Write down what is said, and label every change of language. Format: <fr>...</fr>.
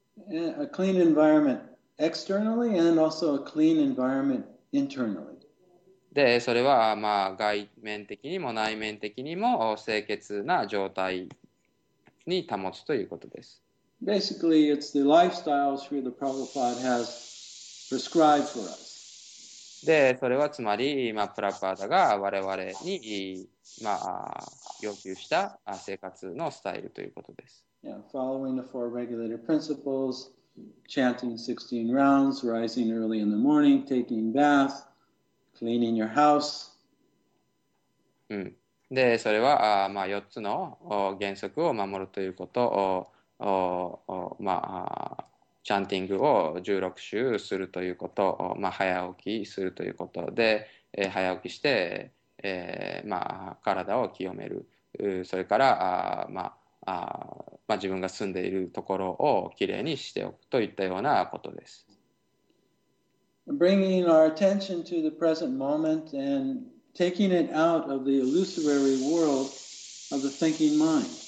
<en>A clean environment externally and also a clean environmentInternally.</en> <ja>で、それは、まあ、外面的にも内面的にも清潔な状態に保つということです。</ja> <en>Basically, it's the lifestyle Srila Prabhupada has prescribed for us.</en> <ja>で、それはつまり、まあ、プラパーダが我々に、まあ、要求した生活のスタイルということです。</ja> <en>Yeah, following the four regulated principles, chanting 16 rounds, rising early in the morning, taking bath, cleaning your house. うん。</en> <ja>で、それは、まあ、4つの原則を守るということを、まあ、チャンティングを16周するということ、まあ、早起きするということで、早起きして、まあ、体を清める、それから、まあ、まあ、自分が住んでいるところをきれいにしておくといったようなことです。</ja> <en>Bringing our attention to the present moment and taking it out of the illusory world of the thinking mind.</en>